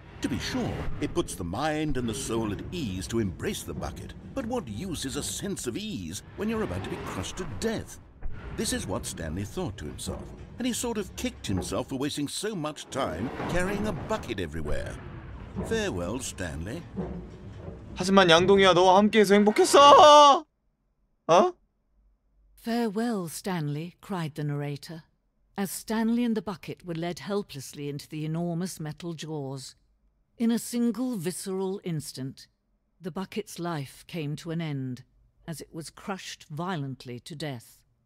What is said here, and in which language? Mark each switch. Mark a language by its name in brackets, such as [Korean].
[English] To be sure, it puts the mind and the soul at ease to embrace the bucket, but what use is a sense of ease when you're about to be crushed to death? This is what Stanley thought to himself, and he sort of kicked himself for wasting so much time carrying a bucket everywhere. Farewell, Stanley. [Korean] 하지만 양동이야, 너와 함께해서 행복했어. 어? [English] Farewell, Stanley, cried the narrator, as Stanley and the bucket were led helplessly into the enormous metal jaws. In a single visceral instant, the bucket's life came to an end as it was crushed violently to death.